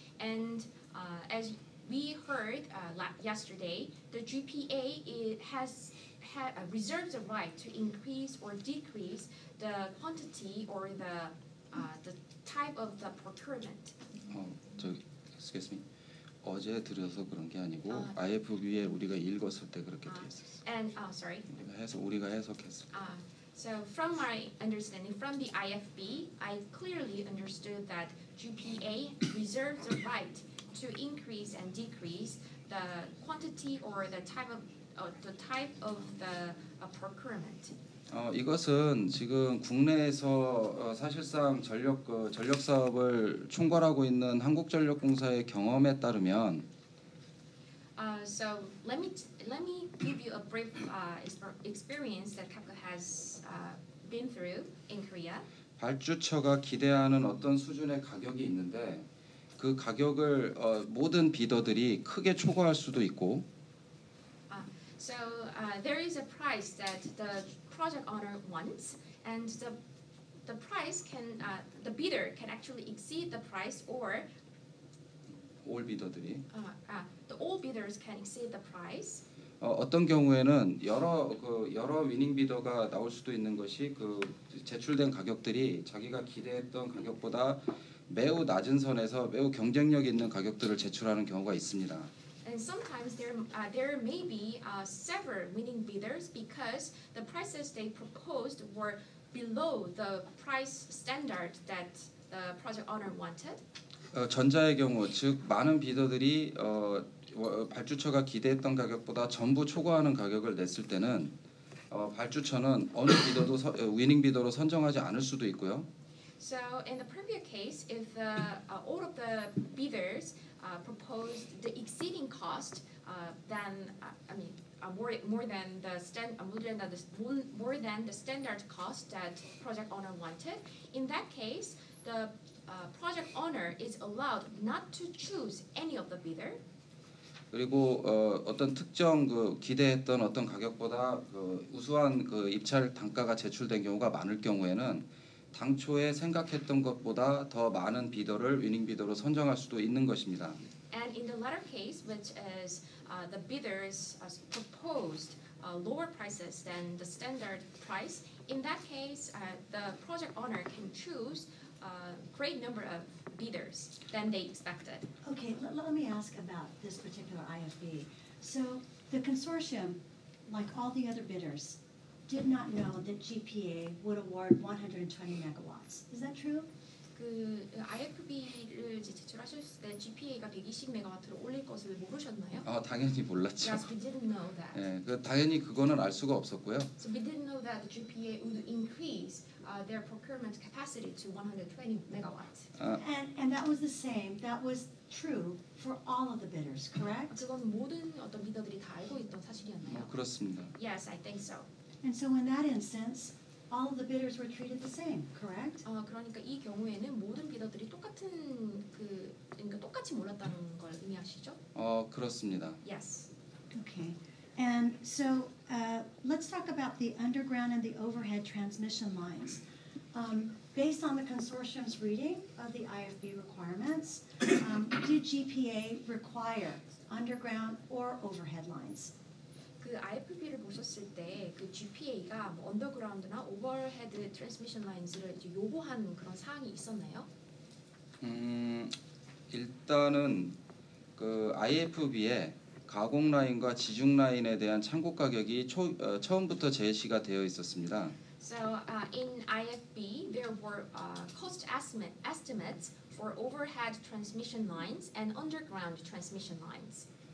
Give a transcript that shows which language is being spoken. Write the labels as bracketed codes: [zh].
[en] And as we heard yesterday, the GPA reserves the right to increase or decrease the quantity or the type of the procurement. excuse me. [ko] 어제 들어서 그런 게 아니고 IFB에 우리가 읽었을 때 그렇게 돼 있었어. [en] And sorry. [ko] 우리가 해석했어. [en] So from my understanding from the IFB, I clearly understood that GPA reserves the right to increase and decrease the quantity or the type of the procurement. [ko] 이것은 지금 국내에서 사실상 전력 사업을 총괄하고 있는 한국전력공사의 경험에 따르면 [en] So let me give you a brief experience that Capco has been through in Korea. [ko] 발주처가 기대하는 어떤 수준의 가격이 있는데 그 가격을 모든 비더들이 크게 초과할 수도 있고 [en] So there is a price that the project owner wants, and the price can the bidder can actually exceed the price, or all bidders들이 the all bidders can exceed the price. [ko] 어떤 경우에는 여러 winning bidder가 나올 수도 있는 것이 그 제출된 가격들이 자기가 기대했던 가격보다 매우 낮은 선에서 매우 경쟁력 있는 가격들을 제출하는 경우가 있습니다. [en] And sometimes there may be several winning bidders because the prices they proposed were below the price standard that the project owner wanted. [ko] 전자의 경우, 즉 많은 비더들이 발주처가 기대했던 가격보다 전부 초과하는 가격을 냈을 때는 발주처는 어느 비더도 winning bidder로 선정하지 않을 수도 있고요. [en] So in the previous case, if all of the bidders proposed the exceeding cost, then I mean more than the standard cost that project owner wanted, in that case, the project owner is allowed not to choose any of the bidder. [ko] 그리고 어떤 특정 그 기대했던 어떤 가격보다 그 우수한 그 입찰 단가가 제출된 경우가 많을 경우에는 당초에 생각했던 것보다 더 많은 비더를 위닝 비더로 선정할 수도 있는 것입니다. [en] And in the latter case, which is the bidders proposed lower prices than the standard price, in that case, the project owner can choose a great number of bidders than they expected. Okay, let me ask about this particular IFB. So the consortium, like all the other bidders, did not know that GPA would award 120 megawatts. Is that true? [ko] 그 IFB를 이제 제출하셨을 때 GPA가 120메가와트를 올릴 것을 모르셨나요? 아 당연히 몰랐죠. [en] Yes, we didn't know that. [ko] 예, 그 당연히 그거는 알 수가 없었고요. [en] So we didn't know that the GPA would increase their procurement capacity to 120 megawatts. And that was the same. That was true for all of the bidders, correct? [ko] 그건 모든 어떤 비더들이 다 알고 있던 사실이었나요? 그렇습니다. [en] Yes, I think so. And so in that instance, all of the bidders were treated the same, correct? [ko] 그러니까 이 경우에는 모든 비더들이 똑같은 그러니까 똑같이 몰랐다는 걸 의미하시죠? 그렇습니다. [en] Yes. Okay. And so let's talk about the underground and the overhead transmission lines. Based on the consortium's reading of the IFB requirements, did GPA require underground or overhead lines? [ko] 그 IFB를 보셨을 때 그 GPA가 뭐 언더그라운드나 오버헤드 트랜스미션 라인즈를 이제 요구한 그런 사항이 있었나요? 일단은 그 IFB에 가공 라인과 지중 라인에 대한 창고 가격이 처음부터 제시가 되어 있었습니다. [en] So in IFB there were cost estimates for overhead transmission lines and underground transmission lines.